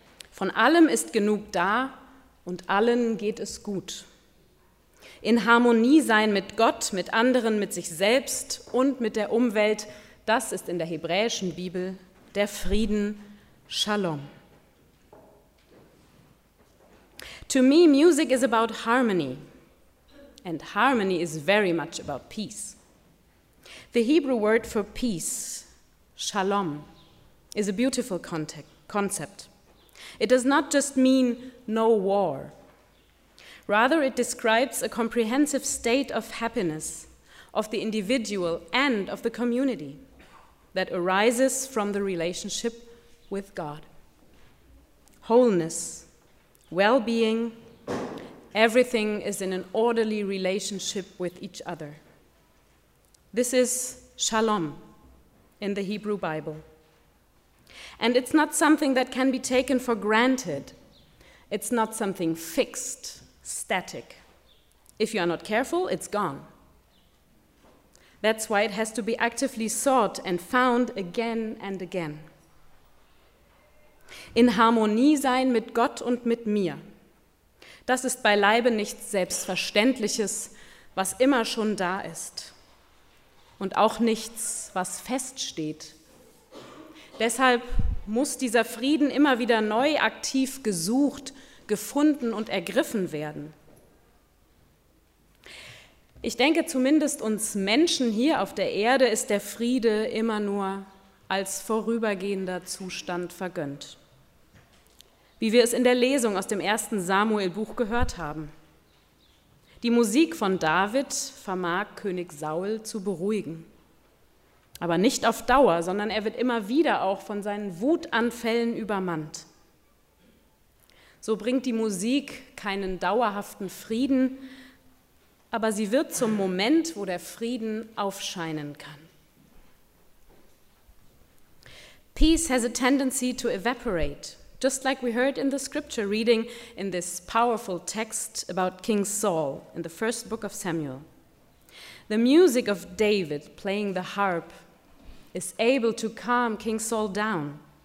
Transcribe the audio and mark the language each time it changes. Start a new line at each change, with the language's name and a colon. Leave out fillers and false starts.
German: Von allem ist genug da und allen geht es gut. In Harmonie sein mit Gott, mit anderen, mit sich selbst und mit der Umwelt, das ist in der hebräischen Bibel der Frieden, Shalom.
English: To me, music is about harmony, and harmony is very much about peace. The Hebrew word for peace, shalom, is a beautiful concept. It does not just mean no war. Rather, it describes a comprehensive state of happiness of the individual and of the community that arises from the relationship with God. Wholeness, well-being, everything is in an orderly relationship with each other. This is shalom in the Hebrew Bible. And it's not something that can be taken for granted. It's not something fixed, static. If you are not careful, it's gone. That's why it has to be actively sought and found again and again.
German: In Harmonie sein mit Gott und mit mir. Das ist beileibe nichts Selbstverständliches, was immer schon da ist. Und auch nichts, was feststeht. Deshalb muss dieser Frieden immer wieder neu aktiv gesucht, gefunden und ergriffen werden. Ich denke, zumindest uns Menschen hier auf der Erde ist der Friede immer nur als vorübergehender Zustand vergönnt. Wie wir es in der Lesung aus dem 1. Samuel-Buch gehört haben. Die Musik von David vermag König Saul zu beruhigen. Aber nicht auf Dauer, sondern er wird immer wieder auch von seinen Wutanfällen übermannt. So bringt die Musik keinen dauerhaften Frieden, aber sie wird zum Moment, wo der Frieden aufscheinen kann.
English: Peace has a tendency to evaporate, just like we heard in the scripture reading in this powerful text about King Saul in the first book of Samuel. The music of David playing the harp is able to calm King Saul down.